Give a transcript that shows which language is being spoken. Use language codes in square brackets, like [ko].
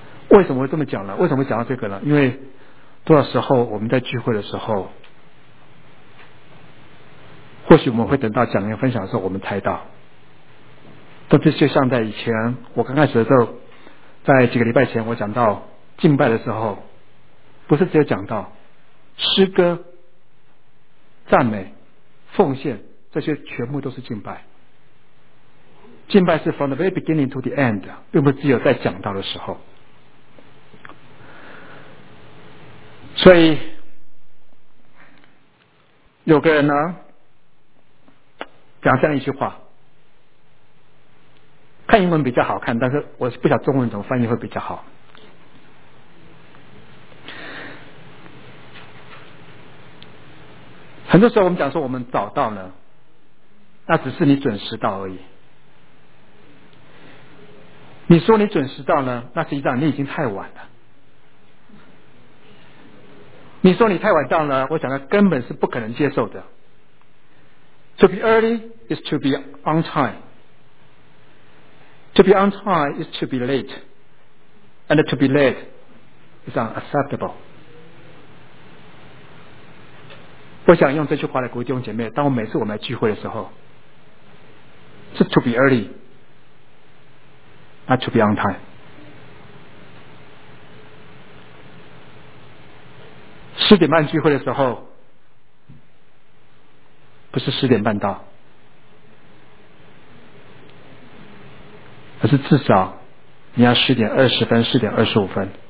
[zh] 为什么会这么讲呢？为什么会讲到这个呢？因为多少时候我们在聚会的时候，或许我们会等到讲员分享的时候我们才到，但这就像在以前我刚开始的时候，在几个礼拜前我讲到敬拜的时候，不是只有讲到诗歌、赞美、奉献，这些全部都是敬拜。敬拜是 [en] from the very beginning to the end， [zh] 并不只有在讲到的时候。所以有个人呢讲这样一句话，看英文比较好看，但是我不晓得中文怎么翻译会比较好。很多时候我们讲说我们找到呢，那只是你准时到而已。你说你准时到呢，那实际上你已经太晚了。你说你太晚到了，我想到根本是不可能接受的。 [en] To be early is to be on time， To be on time is to be late， And to be late is unacceptable。 [zh] 我想用这句话来鼓励弟兄姐妹，当我每次我们来聚会的时候，是 [en] to be early， not to be on time。 [zh] 十点半聚会的时候不是十点半到，而是至少你要十点二十分、十点二十五分。